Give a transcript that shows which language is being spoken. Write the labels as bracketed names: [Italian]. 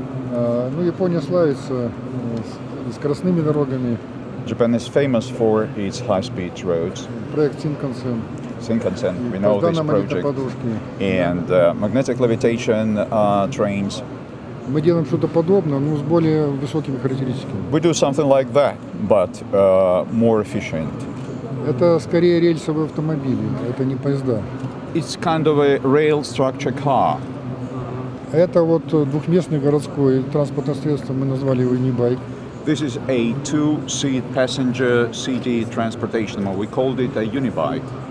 [Russian] Ну, Япония славится скоростными дорогами. [English] Japan is famous for its high-speed roads. [Russian] Проект Синкансен. [English] Синкансен, we know this project. And magnetic levitation trains. [Russian] Мы делаем что-то подобное, но с более высокими характеристиками. [English] We do something like that, but more efficient. [Russian] Это скорее рельсовые автомобили, это не поезда. [English] It's kind of a rail structure car. [Russian] Это вот двухместный городской транспортное средство, мы назвали его e-bike. [English] This is a two-seat passenger city transportation, we called it a unibike.